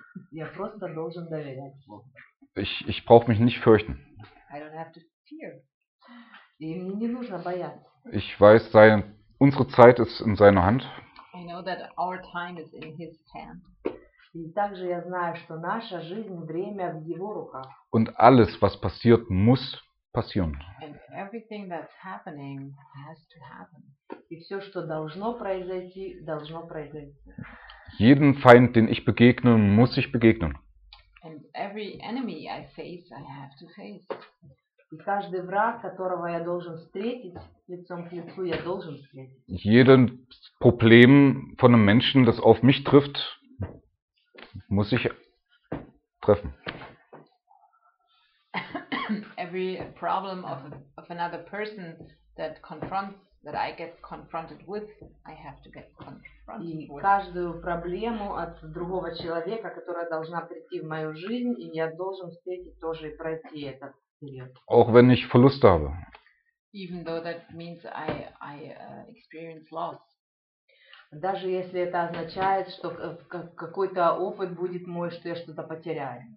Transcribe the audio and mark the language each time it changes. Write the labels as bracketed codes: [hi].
[ru] Я просто должен доверять Богу. [de] Ich brauche mich nicht fürchten. [en] I don't have to fear. [ru] И мне не нужно бояться. [de] Ich weiß, unsere Zeit ist in seiner Hand. [en] I know that our time is in his hand. [ru] И также я знаю, что наша жизнь, время в его руках. [de] Und alles, was passiert, muss passieren. [en] And everything that's happening has to happen. [ru] И все, что должно произойти, должно произойти. [de] Jeden Feind, den ich begegne, muss ich begegnen. [en] And every enemy I face, I have to face. [ru] И каждый враг, которого я должен встретить лицом к лицу, я должен встретить. [de] Jeden Problem von einem Menschen, das auf mich trifft, muss ich treffen. [en] Every problem of another person that confronts, that I get confronted with, I have to get confronted with. [ru] И каждую проблему от другого человека, которая должна прийти в мою жизнь, и я должен встретить тоже и пройти этот период. [de] Auch wenn ich Verluste habe. [en] Even though that means I experience loss. [ru] Даже если это означает, что какой-то опыт будет мой, что я что-то потеряю.